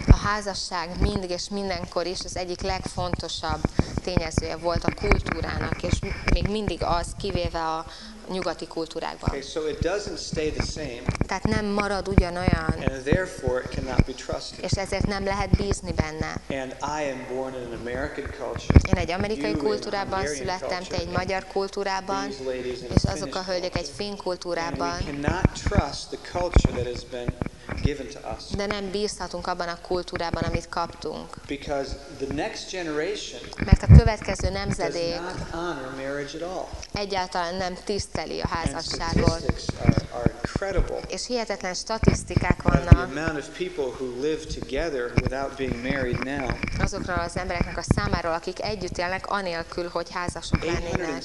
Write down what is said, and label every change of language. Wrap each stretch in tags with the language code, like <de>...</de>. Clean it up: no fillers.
<hu>A házasság mindig és mindenkor is az egyik legfontosabb tényezője volt a kultúrának, és még mindig az, kivéve a nyugati kultúrákban.</hu> <en>Okay, so it doesn't stay the same.</en> <hu>Tehát nem marad ugyanolyan.</hu> <en>And therefore it cannot be trusted.</en> <hu>És ezért nem lehet bízni benne.</hu> <en>And I am born in an American culture.</en> <hu>Én egy amerikai kultúrában születtem, te egy magyar kultúrában, és azok a hölgyek egy finn kultúrában.</hu> <en>And we cannot trust the culture that has been given to us.</en> <hu>De nem bízhatunk abban a kultúrában, amit kaptunk.</hu> <en>Because the next generation,</en> <hu>mert a következő nemzedék</hu> <en>does not honor marriage at all.</en> <hu>Egyáltalán nem tiszteli a házasságot.</hu> <en>Are</en> <hu>és hihetetlen statisztikák vannak.</hu> <en>The amount of people who live together without being married now.</en> <hu>Azokról az embereknek a számáról, akik együtt élnek anélkül, hogy házasok lennének.</hu>